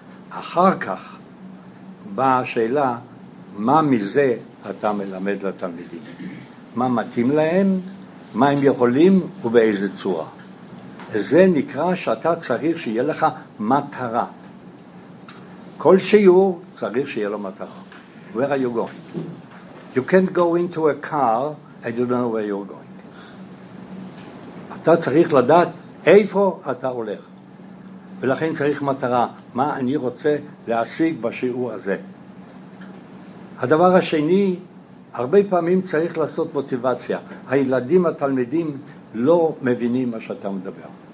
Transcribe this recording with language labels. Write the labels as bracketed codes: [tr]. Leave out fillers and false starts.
[he] אחר כך באה השאלה, מה מזה אתה מלמד לתלמידים? מה מתאים להם? מה הם יכולים ובאיזה צורה? זה נקרא שאתה צריך שיהיה לך מטרה. כל שיעור צריך שיהיה לו מטרה. [en] Where are you going? You can't go into a car and you don't know where you're going. [he] אתה צריך לדעת איפה אתה הולך. ולכן צריך מטרה, מה אני רוצה להשיג בשיעור הזה. הדבר השני, הרבה פעמים צריך לעשות מוטיבציה. הילדים, התלמידים, לא מבינים מה שאתה מדבר.